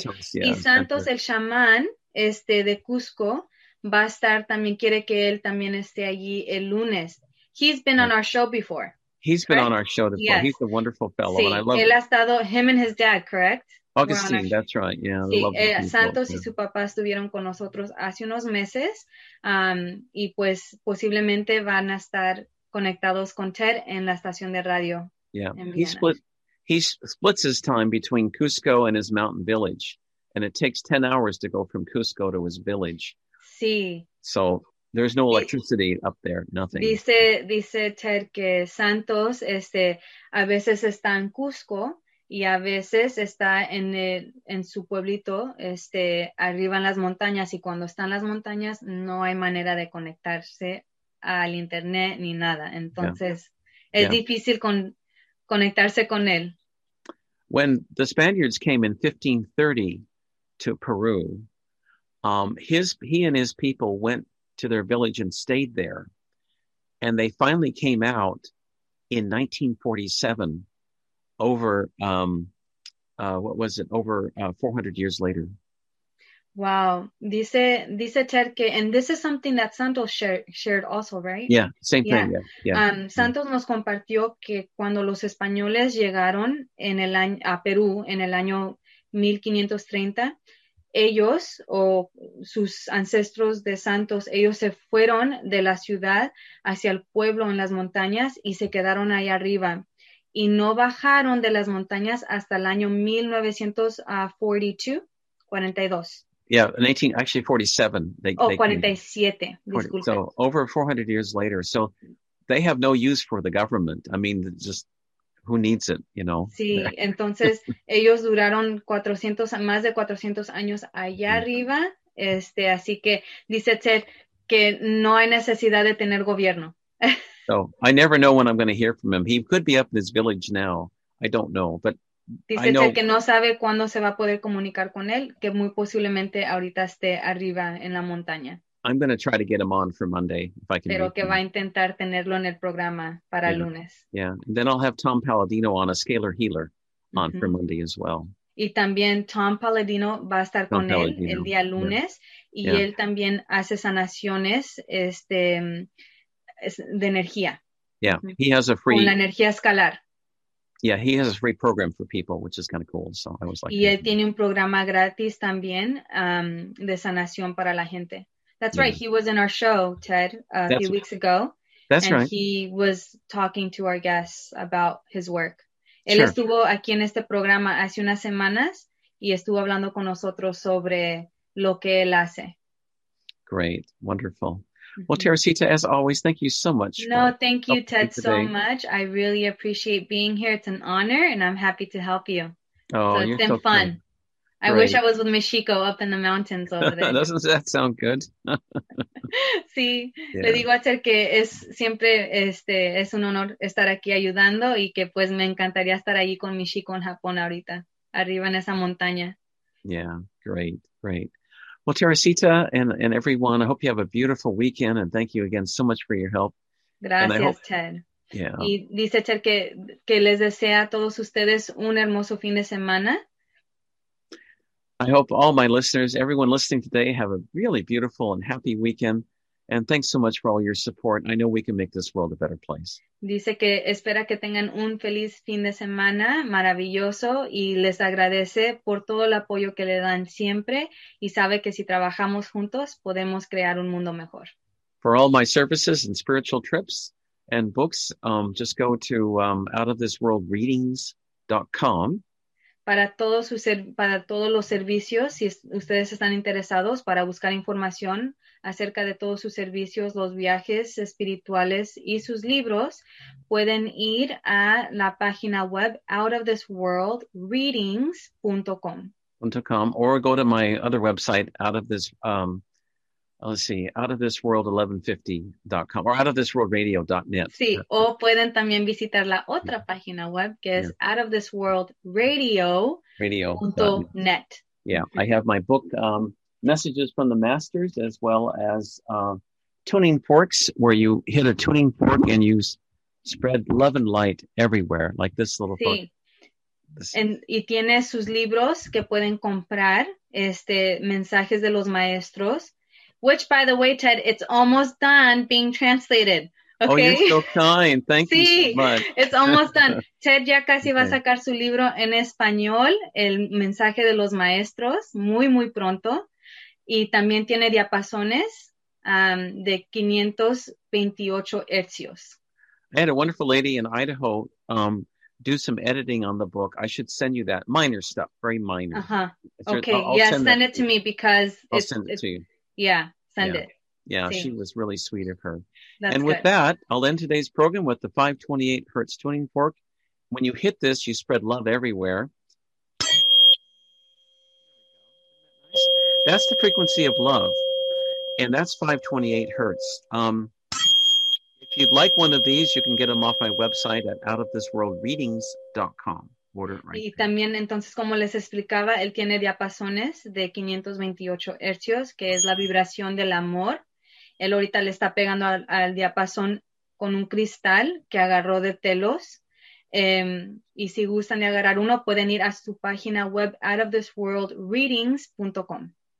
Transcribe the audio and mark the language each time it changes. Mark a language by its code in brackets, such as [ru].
[es] Santos, yeah. Y Santos, el chamán de Cusco, va a estar también, quiere que él también esté allí el lunes. [en] He's been on our show before. He's been on our show before. Yes. He's a wonderful fellow, [es] sí, [en] and I love [es] él ha estado, [en] him and his dad, correct? Augustine, our, that's right, yeah. [es] Sí, Santos y su papá estuvieron con nosotros hace unos meses, y pues posiblemente van a estar conectados con Ted en la estación de radio. [en] Yeah, he splits his time between Cusco and his mountain village, and it takes 10 hours to go from Cusco to his village. [es] Sí. [en] So there's no electricity up there, nothing. [es] Dice Ted que Santos a veces está en Cusco y a veces está en su pueblito arriba en las montañas, y cuando está en las montañas no hay manera de conectarse al internet ni nada. Entonces es difícil conectarse con él. [en] When the Spaniards came in 1530 to Peru, he and his people went to their village and stayed there. And they finally came out in 1947 over 400 years later. Wow. [es] Dice Ted que, [en] and this is something that Santos shared also, right? Yeah, same thing. Yeah. [es] Santos nos compartió que cuando los españoles llegaron a Perú en el año 1530, ellos o sus ancestros de Santos, ellos se fueron de la ciudad hacia el pueblo en las montañas y se quedaron ahí arriba. Y no bajaron de las montañas hasta el año 1942. [en] Yeah, in 47. [es] Disculpe. [en] So over 400 years later. So they have no use for the government. I mean, just who needs it, you know? [es] Sí, entonces ellos duraron 400, más de 400 años allá arriba. Así que dice Ted que no hay necesidad de tener gobierno. [en] So I never know when I'm going to hear from him. He could be up in his village now. I don't know, but [es] dice Ted que no sabe cuándo se va a poder comunicar con él, que muy posiblemente ahorita esté arriba en la montaña. [en] I'm going to try to get him on for Monday if I can. [es] Pero que [en] him. [es] Va a intentar tenerlo en el programa para el lunes. [en] Yeah, and then I'll have Tom Palladino on, a scalar healer, on for Monday as well. [es] Y también Tom Palladino va a estar con él el día lunes. Yeah. Y él también hace sanaciones de energía. [en] Yeah, he has a free. [es] Con la energía escalar. [en] Yeah, he has a free program for people, which is kind of cool. So I was like, [es] y él tiene un programa gratis también de sanación para la gente. [en] That's right. He was in our show, Ted, a few weeks ago. That's right. And he was talking to our guests about his work. [es] Él estuvo aquí en este programa hace unas semanas y estuvo hablando con nosotros sobre lo que él hace. [en] Great. Wonderful. Well, Teresita, as always, thank you so much. No, thank you, Ted, so much. I really appreciate being here. It's an honor, and I'm happy to help you. Oh, it's been fun. I wish I was with Michiko up in the mountains over there. Doesn't that sound good? [es] Sí, yeah. Le digo a Ted que es siempre es un honor estar aquí ayudando y que pues me encantaría estar allí con Michiko en Japón ahorita, arriba en esa montaña. [en] Yeah, great, great. Well, Teresita and everyone, I hope you have a beautiful weekend and thank you again so much for your help. [es] Gracias, Ted. [en] Yeah. [es] Y dice Ted que les desea a todos ustedes un hermoso fin de semana. [en] I hope all my listeners, everyone listening today, have a really beautiful and happy weekend. And thanks so much for all your support. I know we can make this world a better place. [es] Dice que espera que tengan un feliz fin de semana maravilloso y les agradece por todo el apoyo que le dan siempre y sabe que si trabajamos juntos podemos crear un mundo mejor. [en] For all my services and spiritual trips and books, just go to outofthisworldreadings.com. [es] Para todos los servicios, si ustedes están interesados para buscar información acerca de todos sus servicios, los viajes espirituales y sus libros, pueden ir a la página web outofthisworldreadings.com. [en] .com or go to my other website outofthisworld1150.com or outofthisworldradio.net. [es] Sí, o pueden también visitar la otra página web que es outofthisworldradio.net. [en] Yeah, I have my book, Messages from the Masters, as well as Tuning Forks, where you hit a tuning fork and you spread love and light everywhere, like this little fork. [es] Y tiene sus libros que pueden comprar, Mensajes de los Maestros. [en] Which, by the way, Ted, it's almost done being translated. Okay? Oh, you're so kind. Thank [es] sí, [en] you so much. It's almost done. [es] Ted ya casi va a sacar su libro en español, El Mensaje de los Maestros, muy, muy pronto. Y también tiene diapasones de 528 hercios. [en] I had a wonderful lady in Idaho do some editing on the book. I should send you that. Minor stuff, very minor. Uh-huh. Okay, send it to me because I'll send it to you. Yeah, send it. Yeah, sí. She was really sweet of her. That's good. With that, I'll end today's program with the 528 Hertz tuning fork. When you hit this, you spread love everywhere. That's the frequency of love, and that's 528 Hertz. If you'd like one of these, you can get them off my website at outofthisworldreadings.com. Order it right. [es] Y también, entonces, como les explicaba, él tiene diapasones de 528 hercios, que es la vibración del amor. Él ahorita le está pegando al diapasón con un cristal que agarró de telos. Y si gustan de agarrar uno, pueden ir a su página web, outofthisworldreadings.com.